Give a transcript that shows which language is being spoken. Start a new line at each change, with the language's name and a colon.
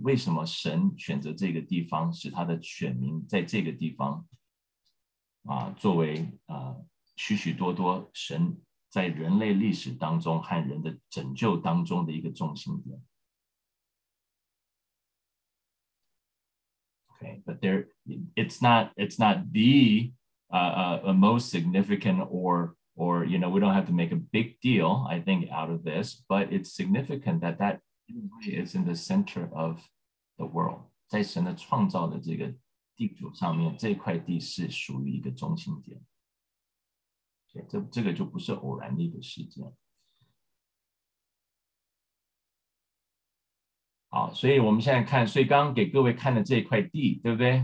Chinese: 为什么神选择这个地方，使他的选民在这个地方？作为许许多多神在人类历史当中和人的拯救当中的一个重心点。
English: Okay, but there, it's not the most significant or you know, we don't have to make a big deal, I think, out of this, but it's significant that is in the center of the world.
Chinese: 在神的创造的这个地图上面，这块地是属于一个中心点，这个就不是偶然的一个事件。好，所以我们现在看，所以刚刚给各位看的这块地，对不对？